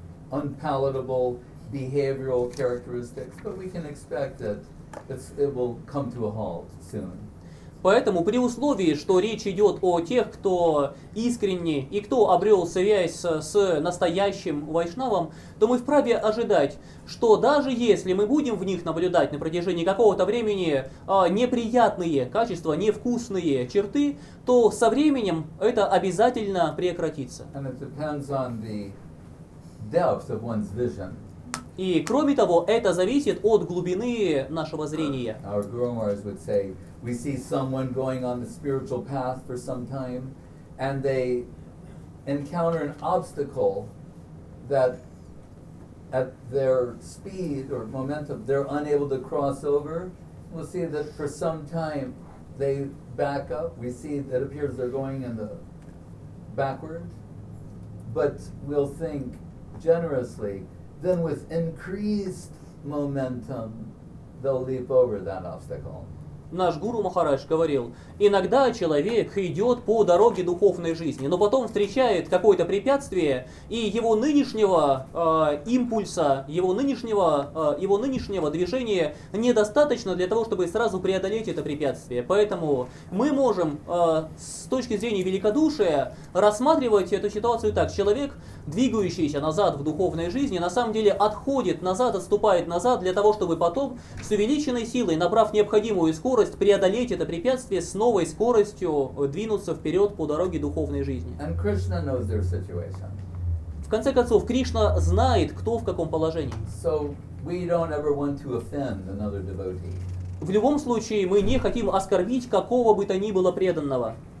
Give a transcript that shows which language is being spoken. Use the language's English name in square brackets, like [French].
[English] unpalatable behavioral characteristics, but we can expect it. It will come to a halt soon. [Russian] Поэтому при условии, что речь идет о тех, кто искренний и кто обрел связь с настоящим вайшнавом, то мы вправе ожидать, что даже если мы будем в них наблюдать на протяжении какого-то времени неприятные качества, невкусные черты, то со временем это обязательно прекратится. [English] And it depends on the depth of one's vision. [Russian] И кроме того, это зависит от глубины нашего зрения. [English] Our guru Maharaj would say, we see someone going on the spiritual path for some time, and they encounter an obstacle that at their speed or momentum, they're unable to cross over. We'll see that for some time, they back up. We see that it appears they're going in the backward. But we'll think generously, then with increased momentum, they'll leap over that obstacle. [Russian] Наш гуру Махарадж говорил, иногда человек идет по дороге духовной жизни, но потом встречает какое-то препятствие, и его нынешнего импульса, его нынешнего движения недостаточно для того, чтобы сразу преодолеть это препятствие. Поэтому мы можем с точки зрения великодушия рассматривать эту ситуацию так. Человек, двигающийся назад в духовной жизни, на самом деле отходит назад, отступает назад для того, чтобы потом с увеличенной силой, набрав необходимую скорость, преодолеть это препятствие с новой скоростью двинуться вперед по дороге духовной жизни. [English] And Krishna knows their situation. [Russian] В конце концов, Кришна знает, кто в каком положении. [English] So we don't ever want to offend another devotee. [Russian] В любом случае, мы не хотим оскорбить какого бы то ни было преданного.